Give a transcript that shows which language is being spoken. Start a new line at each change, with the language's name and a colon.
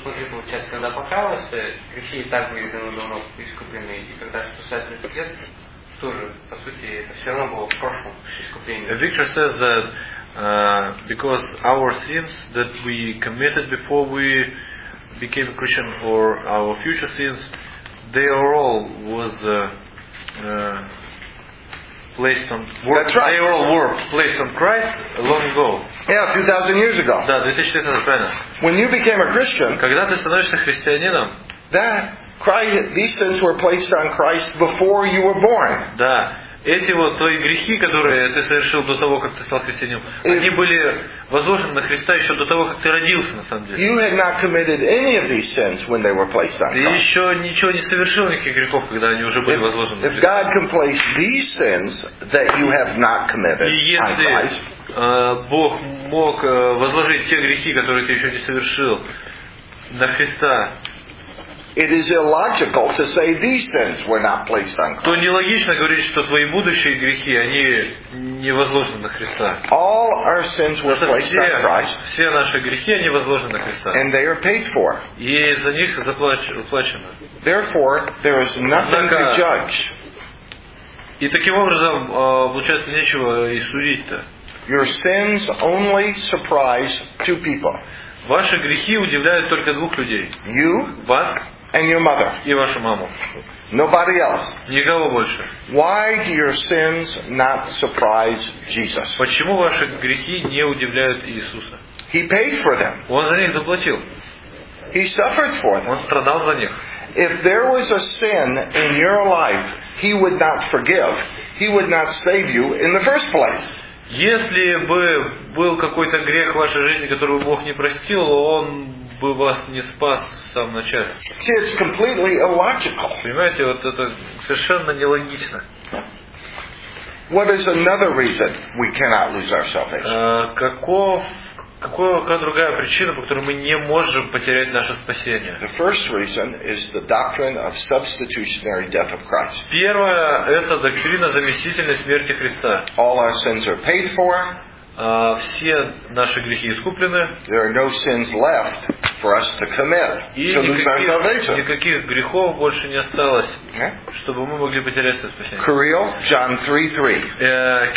Russian: Получается, когда покаялся, грехи и так были давно искуплены, и когда 130 лет, тоже, по сути, это все равно было в прошлом искуплении.
English: Victor says that because our sins that we committed before we became a Christian or our future sins, they are all was placed on. Work. That's right. They all were placed on Christ long ago. Yeah, 2,000 years ago.
Russian: Да, 2000 лет.
English: When you became a Christian,
Russian: когда ты становишься христианином,
English: that Christ, these sins were placed on Christ before you were born.
Russian: Да, эти вот твои грехи, которые ты совершил до того, как ты стал христианином, они были возложены на Христа еще до того, как ты родился, на самом деле.
English: You had not committed any of these sins when they were placed on.
Russian: Ты еще ничего не совершил, никаких грехов, когда они уже были возложены.
English: If God can place these sins that you have not committed on Christ,
Russian: Бог мог возложить те грехи, которые ты еще не совершил, на Христа.
English: It is illogical to say these sins were not placed on Christ.
Russian: То нелогично говорить, что твои будущие грехи, они не возложены на Христа.
English: All our sins were placed on Christ.
Russian: Все наши грехи, они возложены на Христа.
English: And they are paid for.
Russian: И за них заплачено.
English: Therefore, there is nothing to judge.
Russian: И таким образом, получается, нечего и судить-то.
English: Your sins only surprise two people.
Russian: Ваши грехи удивляют только двух людей.
English: You,
Russian: вас,
English: and your mother.
Russian: И вашу маму.
English: Nobody else.
Russian: Никого больше.
English: Why do your sins not surprise Jesus?
Russian: Почему ваши грехи не удивляют Иисуса?
English: He paid for them.
Russian: Он за них заплатил.
English: He suffered for them.
Russian: Он страдал за них.
English: If there was a sin in your life, he would not forgive. He would not save you in the first place.
Russian: Если бы был какой-то грех в вашей жизни, который Бог не простил, Он бы вас не спас в самом начале.
English: See, it's completely illogical.
Russian: Понимаете, вот это совершенно нелогично.
English: What is another reason we cannot lose our salvation?
Russian: Какая другая причина, по которой мы не можем потерять наше спасение?
English: The first reason is the doctrine of substitutionary death of Christ.
Russian: Первое – это доктрина заместительной смерти Христа.
English: All our sins are paid for.
Russian: Все наши грехи искуплены.
English: There are no sins left for us to commit to lose our salvation.
Russian: Никаких грехов больше не осталось, чтобы мы могли потерять свое спасение.
English: Кирилл, John 3:3.